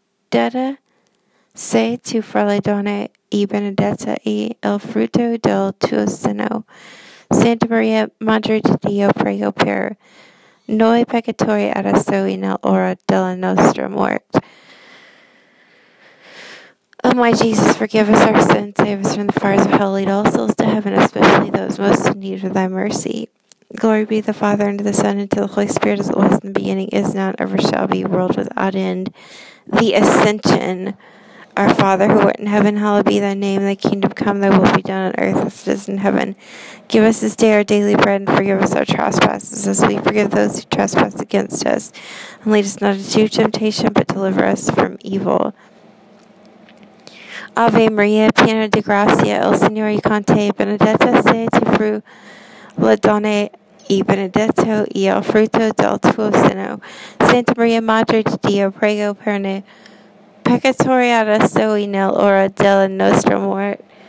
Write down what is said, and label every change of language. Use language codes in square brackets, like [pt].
[it] Benedetta sei tu fra le donne, e benedetta è il frutto del tuo seno. Santa Maria, Madre di Dio, prega per noi peccatori, adesso e nell'ora della nostra morte. [en] O my Jesus, forgive us our sins, save us from the fires of hell, lead all souls to heaven, especially those most in need of thy mercy. Glory be to the Father, and to the Son, and to the Holy Spirit, as it was in the beginning, is now, and ever shall be, world without end. The Ascension. Our Father, who art in heaven, hallowed be thy name. Thy kingdom come, thy will be done on earth as it is in heaven. Give us this day our daily bread, and forgive us our trespasses, as we forgive those who trespass against us. And lead us not into temptation, but deliver us from evil. [it] Ave Maria, piena di grazia, il Signore è con te. Benedetta sei tu fra le donne, e benedetto è il frutto del tuo seno. Santa Maria, Madre di Dio, prega per noi peccatori adesso e nell'ora della nostra morte.